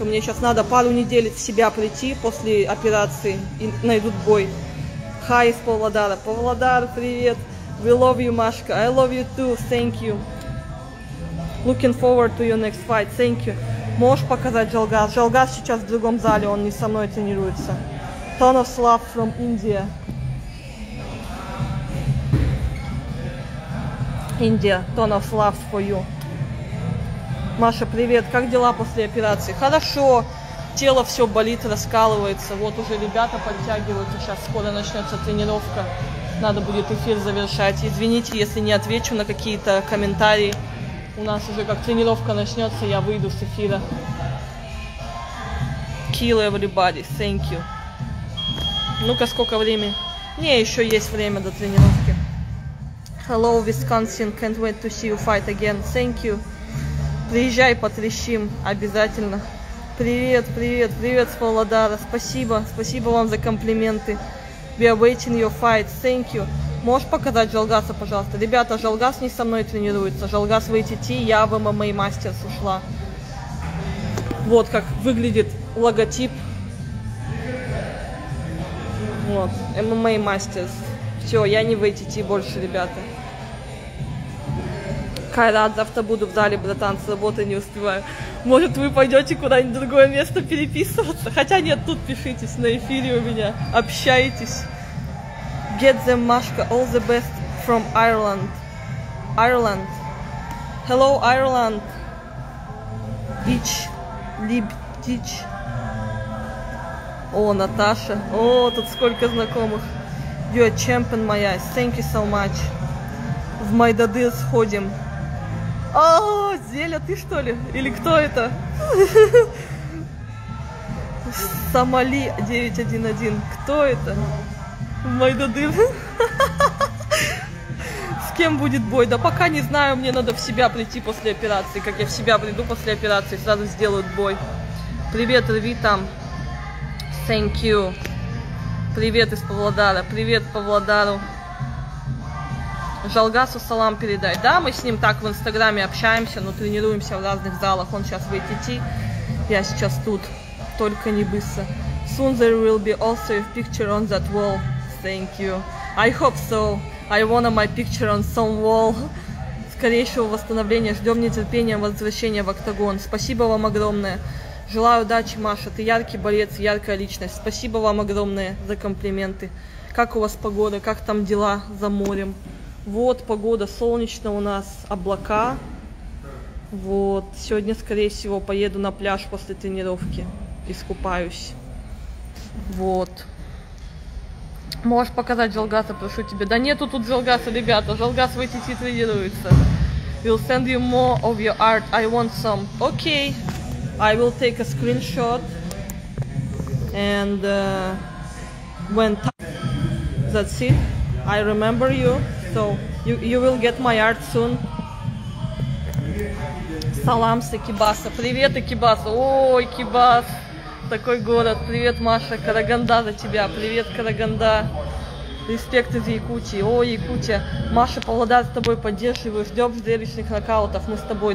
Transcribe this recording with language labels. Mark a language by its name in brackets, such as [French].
[Russian] Мне сейчас надо пару недель в себя прийти после операции. И найдут бой. Hi из Павлодара. Павлодар, привет. [English] We love you, Машка. I love you too. Thank you. Looking forward to your next fight. Thank you. [Russian] Можешь показать Джалгас? Джалгас сейчас в другом зале. Он не со мной тренируется. [English] Ton of love from India. India, ton of love for you. [Russian] Маша, привет. Как дела после операции? Хорошо. Тело все болит, раскалывается. Вот уже ребята подтягиваются. Сейчас скоро начнется тренировка. Надо будет эфир завершать. Извините, если не отвечу на какие-то комментарии. У нас уже как тренировка начнется, я выйду с эфира. [English] Kill everybody. Thank you. [Russian] Ну-ка, сколько времени? Не, еще есть время до тренировки. [English] Hello, Wisconsin. Can't wait to see you fight again. Thank you. [Russian] Приезжай, потрещим. Обязательно. Привет, привет, привет с Павлодара. Спасибо, спасибо вам за комплименты. [English] We are waiting your fight. Thank you. [Russian] Можешь показать Жалгаса, пожалуйста? Ребята, Жалгас не со мной тренируется. Жалгас в ATT, я в MMA Masters ушла. Вот как выглядит логотип. Вот, MMA Masters. Все, я не в ATT больше, ребята. Кайрат, завтра буду в зале, братан, с работы не успеваю. Может, вы пойдете куда-нибудь в другое место переписываться? Хотя нет, тут пишитесь, на эфире у меня. Общайтесь. [English] Get them, Машка. All the best from Ireland. Ireland. Hello, Ireland. Beach. Libditch. [Russian] О, Наташа. О, тут сколько знакомых. [English] You are champion, my eyes. Thank you so much. [Russian] В Майдадыр сходим. О, Зеля, ты что ли? Или кто это? Сомали 911. Кто это? В Майдадыр. С кем будет бой? Да пока не знаю. Мне надо в себя прийти после операции. Как я в себя приду после операции, сразу сделают бой. Привет, рви там. [English] Thank you. [Russian] Привет из Павлодара. Привет Павлодару. Жалгасу салам передай. Да, мы с ним так в Инстаграме общаемся, но тренируемся в разных залах. Он сейчас в ATT. Я сейчас тут. Только не быстро. [English] Soon there will be also a picture on that wall. Thank you. I hope so. I want my picture on some wall. [Russian] Скорейшего восстановления. Ждем нетерпением возвращения в октагон. Спасибо вам огромное. Желаю удачи, Маша. Ты яркий борец, яркая личность. Спасибо вам огромное за комплименты. Как у вас погода? Как там дела за морем? Вот погода солнечная у нас, облака. Вот. Сегодня, скорее всего, поеду на пляж после тренировки. Искупаюсь. Вот. Можешь показать Жалгаса, прошу тебя. Да нету тут Жалгаса, ребята. Жалгас в ATT тренируется. [English] We'll send you more of your art. I want some. Okay. I will take a screenshot and when that's it, I remember you, so you will get my art soon. [Russian] Салам с Экибаса. Привет, Экибаса. О, Экибас. такой город. Привет, Маша, Караганда за тебя. Привет, Караганда. Респект из Якутии. О, Якутия. Маша Павлодар с тобой поддерживаю. Ждем зрелищных нокаутов. Мы с тобой.